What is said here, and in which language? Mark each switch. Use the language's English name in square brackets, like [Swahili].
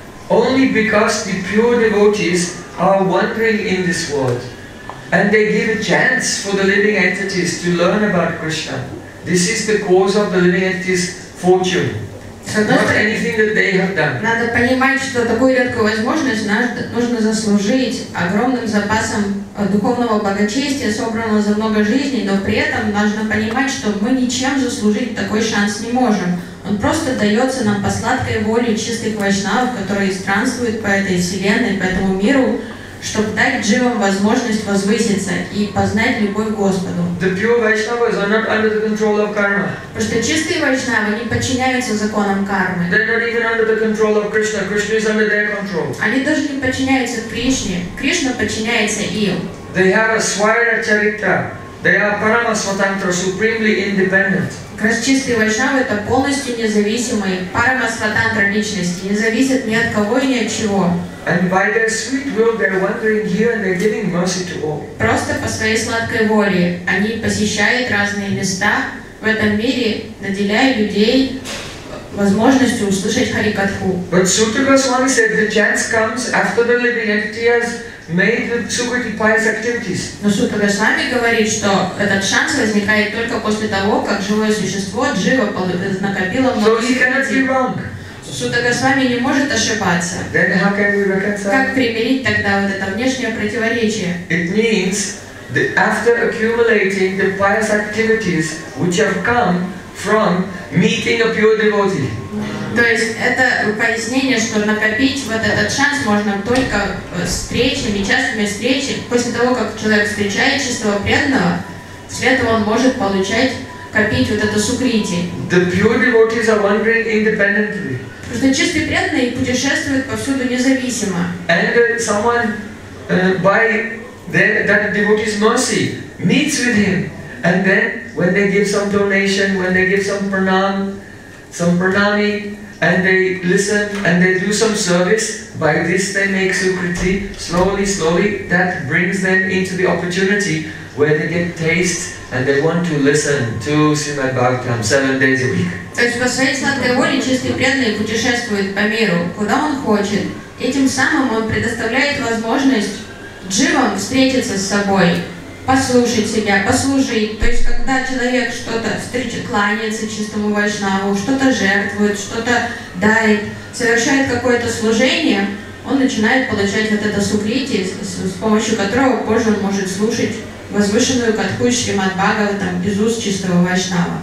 [English] Only because the pure devotees are wandering in this world, and they give a chance for the living entities to learn about Krishna. This is the cause of the living entities' fortune. [Russian] Надо понимать, что такую редкую возможность нужно заслужить огромным запасом духовного благочестия, собранного за много жизней, но при этом нужно понимать, что мы ничем заслужить такой шанс не можем. Он просто дается нам по сладкой воле чистых вайшнавов, которые странствуют по этой вселенной, по этому миру, чтобы дать дживам возможность возвыситься и познать любовь к Господу. [English] The pure Vaishnavas are not under the control of karma. [Russian] Потому что чистые вайшнавы не подчиняются законам кармы. [English] They're not even under the control of Krishna. Krishna is under their control. [Russian] Они даже не подчиняются Кришне. Кришна подчиняется им. [English] They have a swaya charitra. They are parama svatantra, supremely independent. [Russian] Как раз чистые вайшнавы — это полностью независимые парама сватантра личности, не зависят ни от кого и ни от чего. [English] And by their sweet will, they're wandering here and they're giving mercy to all. [Russian] Просто по своей сладкой воле они посещают разные места в этом мире, наделяя людей возможностью услышать харикатху. [English] But Sutta Goswami said the chance comes after the living entity has made the sukriti pious activities. [Russian] Но Сута Госвами говорит, что этот шанс возникает только после того, как живое существо джива накопило много. Сута Госвами не может ошибаться. [English] Then how can we reconcile? [Russian] Как примирить тогда вот это внешнее противоречие? [English] It means that after accumulating the pious activities which have come from meeting a pure devotee. [Russian] То есть это пояснение, что накопить вот этот шанс можно только встречами, частыми встречами. После того, как человек встречает чистого преданного, после этого он может получать, копить вот это сукрити. [English] The pure devotees are wandering independently. [Russian] Потому что чистые преданные путешествуют повсюду независимо. [English] And someone by that devotee's mercy meets with him. And then when they give some donation, when they give some pranam, some pranami, and they listen and they do some service, by this they make sukriti, slowly, slowly, that brings them into the opportunity where they get taste and they want to listen to Srimad Bhagavatam 7 days a week. [Russian] То есть по своей сладкой воле чистый преданный путешествует по миру, куда он хочет. Этим самым он предоставляет возможность дживам встретиться с собой, послушать себя, послужить. То есть когда человек что-то встречает, кланяется чистому вайшнаву, что-то жертвует, что-то дает, совершает какое-то служение, он начинает получать вот это сукрити, с помощью которого позже он может слушать возвышенную катху Шримад Бхагаватам из уст чистого вайшнава.